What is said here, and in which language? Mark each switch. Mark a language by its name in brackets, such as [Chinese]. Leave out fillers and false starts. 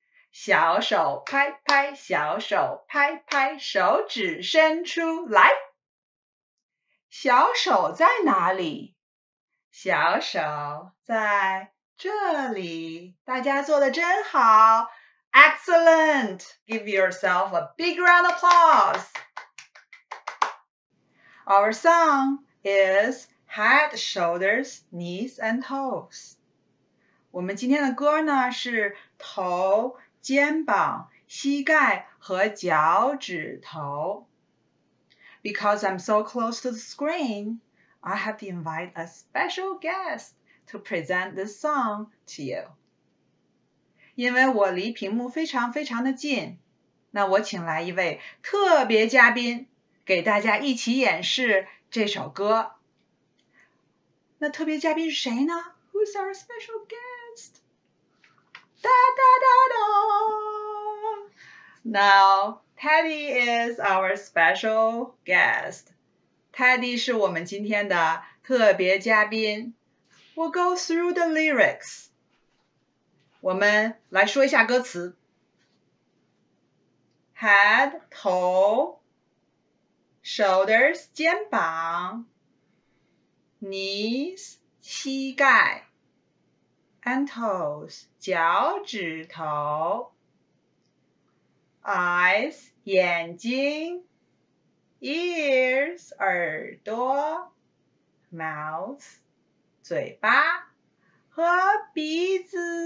[Chinese] 小手拍拍，小手拍拍，手指伸出来。小手在哪里？小手在这里，大家做得真好。 [English] Excellent! Give yourself a big round of applause. Our song is Head, Shoulders, Knees, and Toes. [Chinese] 我们今天的歌呢是头、肩膀、膝盖和脚趾头。 [English] Because I'm so close to the screen, I have to invite a special guest to present this song to you. [Chinese] 因为我离屏幕非常非常的近，那我请来一位特别嘉宾给大家一起演示这首歌。那特别嘉宾是谁呢？ [English] Who's our special guest? Da da da da! Now, Teddy is our special guest. [Chinese] Teddy 是我们今天的特别嘉宾。 [English] We'll go through the lyrics. [Chinese] 我们来说一下歌词。 Head, 头 Shoulders, 肩膀 Knees, 膝盖 And toes, 脚趾头 Eyes, 眼睛 Ears, 耳朵 Mouth, 嘴巴和鼻子